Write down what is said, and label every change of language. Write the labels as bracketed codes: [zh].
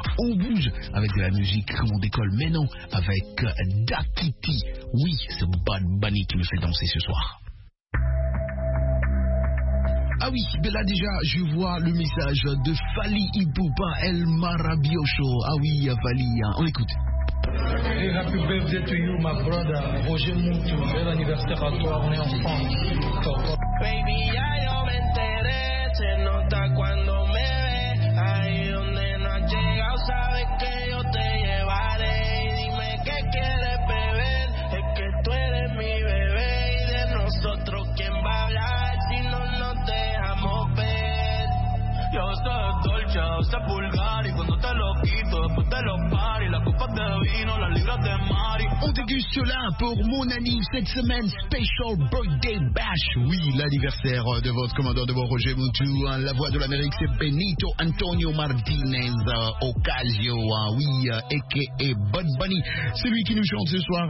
[fr] On bouge avec de la musique comme on décolle, mais non, avec Dakiti. Oui, c'est Bad Bunny qui me fait danser ce soir. Ah oui, mais là déjà, je vois le message de Fally Ipupa El Marabiocho. Ah oui, Fally, hein, on écoute. [en] Hey, happy birthday to you, my brother, Roger Montou. [fr] Bel anniversaire à toi, on est en France. [es] Baby, ya yo me enteré, se nota cuando me ve. Ahí donde no has llegado, sabes que yo te llevaré. Y dime qué quieres beber, es que tú eres mi bebé. Y de nosotros, ¿quién va a hablar si no nos dejamos ver? Yo soy Dolce, o sea, vulgar, y cuando te lo quito, después te lo pari. Las copas de vino, las libras de Mari. [fr] On déguste cela pour mon anime cette semaine, Special Birthday Bash. Oui, l'anniversaire de votre commandant de bord, Roger Montou. Hein, la voix de l'Amérique, c'est Benito Antonio Martinez Ocasio. Hein, oui, a.k.a. Bud Bunny. C'est lui qui nous chante ce soir.